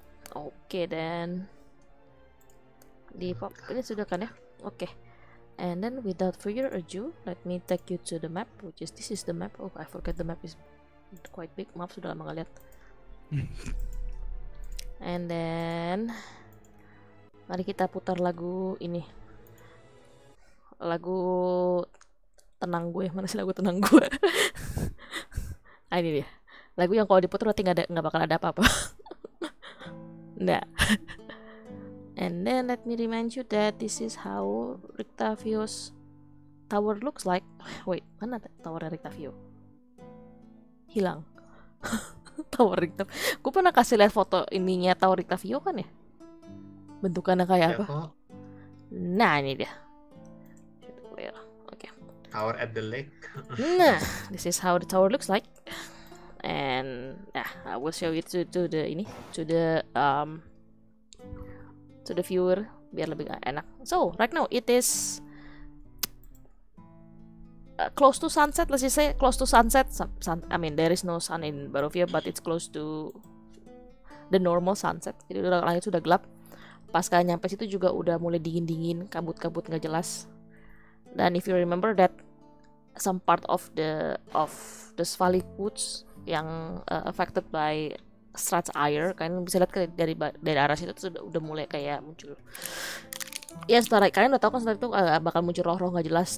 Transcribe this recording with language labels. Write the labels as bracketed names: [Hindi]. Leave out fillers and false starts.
[English] Okay, then [Indonesian] di pop ini sudah kan ya. [English] Okay, and then without further ado, let me take you to the map, which is, this is the map. Oh, I forget the map is quite big. [Indonesian] Maaf, sudah lama gak lihat. [English] And then [Indonesian] mari kita putar lagu ini, lagu tenang gue. Mana sih lagu tenang gue? Ah, ini dia lagu yang kalau diputar nanti nggak bakal ada apa-apa. Nggak. [English] And then let me remind you that this is how Rictavio's tower looks like. [Indonesian] Wait, mana tower Rictavio? Hilang. Tower Rictavio. Gue pernah kasih lihat foto ininya tower Rictavio kan ya? Bentukannya kayak apa? Nah, ini dia. [English] Tower at the lake. Nah, this is how the tower looks like. And yeah, I will show it to the viewer [Indonesian] biar lebih enak. [English] So, right now it is close to sunset. Let's just say close to sunset. I mean, there is no sun in Barovia, but it's close to the normal sunset. [Indonesian] Jadi langit sudah gelap. Pas kalian nyampe situ juga udah mulai dingin-dingin, kabut-kabut enggak jelas. [English] Dan if you remember that some part of the Svalik woods yang affected by Strahd's ire. [Indonesian] Kalian bisa lihat dari arah situ tuh udah mulai kayak muncul. Ya setelah kalian udah tahu kan setelah itu bakal muncul roh-roh gak jelas.